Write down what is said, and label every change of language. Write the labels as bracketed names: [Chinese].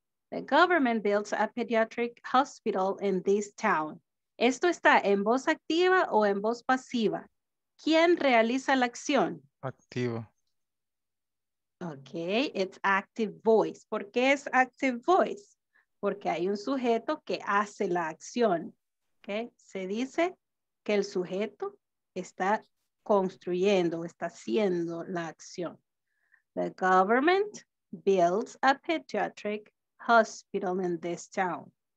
[English] The government builds a pediatric hospital in this town. [Spanish] ¿Esto está en voz activa o en voz pasiva? ¿Quién realiza la acción? Activo. [English] Okay, it's active voice. [Spanish] ¿Por qué es [English] active voice? [Spanish] Porque hay un sujeto que hace la acción. Okay, se dice que el sujeto está construyendo, está haciendo la acción. [English] The government builds a pediatric hospital in this town.